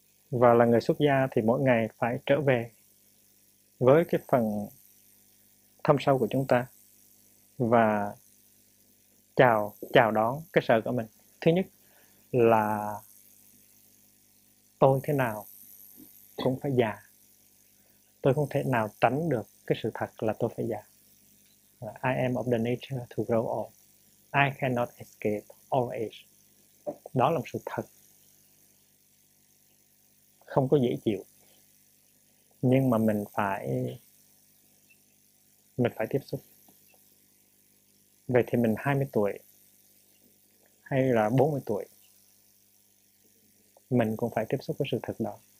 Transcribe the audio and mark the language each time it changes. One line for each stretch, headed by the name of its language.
Vietnamese: Và là người xuất gia thì mỗi ngày phải trở về với cái phần thâm sâu của chúng ta và chào chào đón cái sợ của mình. Thứ nhất là tôi thế nào cũng phải già, tôi không thể nào tránh được cái sự thật là tôi phải già.
English: I am of the nature to grow old. I cannot escape old age.
Vietnamese: Đó là một sự thật không có dễ chịu, nhưng mà mình phải tiếp xúc. Vậy thì mình 20 tuổi hay là 40 tuổi, mình cũng phải tiếp xúc với sự thật đó.